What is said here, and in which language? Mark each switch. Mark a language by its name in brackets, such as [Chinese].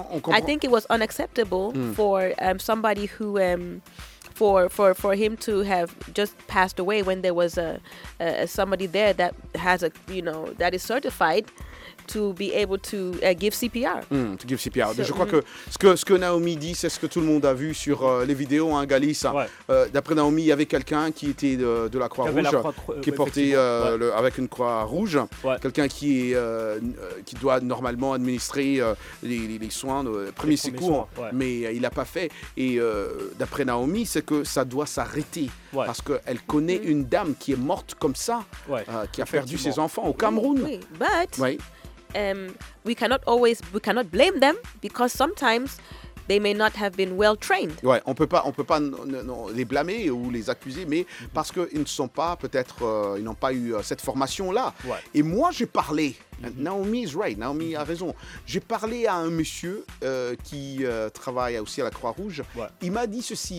[English] I think it was unacceptable for somebody who for him to have just passed away when there was a somebody there that has that is certified to be able to give CPR. To give CPR. [French] So, je crois que ce que Naomi dit, c'est ce que tout le monde a vu sur les vidéos, hein, Galice. Ouais. D'après Naomi, il y avait quelqu'un qui était de la Croix-Rouge, qui portait avec une croix rouge. Ouais. Quelqu'un qui doit normalement administrer les soins, les premiers secours. Ouais. Mais il l'a pas fait. Et d'après Naomi, c'est que ça doit s'arrêter. Ouais. Parce qu'elle connaît une dame qui est morte comme ça, qui a perdu ses enfants au Cameroun. Oui, but... Ouais. [English] We cannot blame them because sometimes they may not have been well trained. [French] Ouais, on peut pas les blâmer ou les accuser, mais parce que ils ne sont pas peut-être ils n'ont pas eu cette formation là. Ouais. Et moi j'ai parlé. [English] Naomi is right. [French] Naomi a raison. J'ai parlé à un monsieur qui travaille aussi à la Croix-Rouge. Ouais. Il m'a dit ceci.